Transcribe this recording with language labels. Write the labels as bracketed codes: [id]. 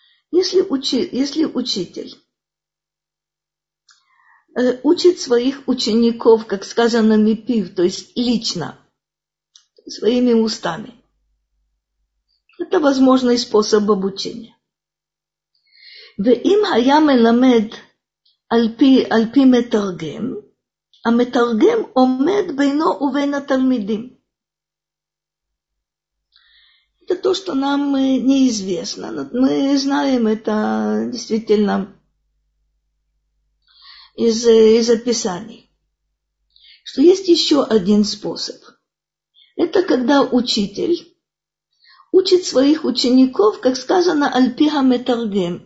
[ru] Если учитель учит своих учеников, как сказано, мипив, то есть лично, своими устами, это возможный способ обучения. [he] ואם היה מלמד על פי מתרגם, המתרגם עומד בינו ובין התלמידים. [ru] Это то, что нам неизвестно. Мы знаем это действительно из описаний. Что есть еще один способ. Это когда учитель учит своих учеников, как сказано, альпиха метаргем.